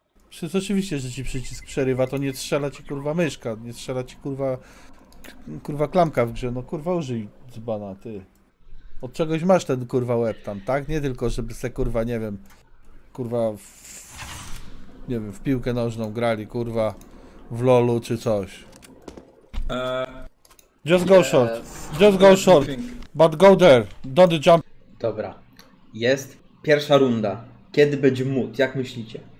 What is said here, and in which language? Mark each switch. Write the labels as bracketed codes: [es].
[pl] Przecież oczywiście, że ci przycisk przerywa, to nie strzela ci, kurwa, myszka, nie strzela ci, kurwa, kurwa, klamka w grze. No, kurwa, użyj dzbana, ty. Od czegoś masz ten, kurwa, łeb tam, tak? Nie tylko, żeby se, kurwa, nie wiem, kurwa, nie wiem, w piłkę nożną grali, kurwa, w LOLu czy coś. [en] Just go short, just go short, but go there, don't jump. [pl] Dobra, jest pierwsza runda. Kiedy będzie mood, jak myślicie?